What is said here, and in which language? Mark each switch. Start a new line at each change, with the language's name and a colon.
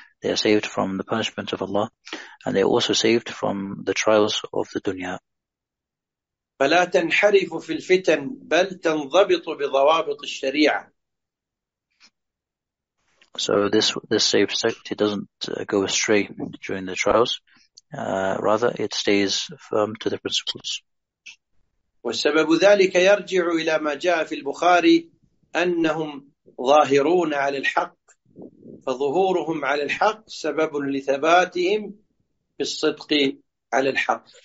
English: They are saved from the punishment of Allah, and they are also saved from the trials of the dunya.
Arabic: فلا تنحرف في الفتن بل تنضبط بضوابط الشريعة.
English: So this saved sect, it doesn't go astray during the trials. Rather, it stays firm to the principles.
Arabic: والسبب ذلك يرجع إلى ما جاء في البخاري أنهم ظاهرون على الحق فظهورهم على الحق سبب لثباتهم في الصدق على الحق.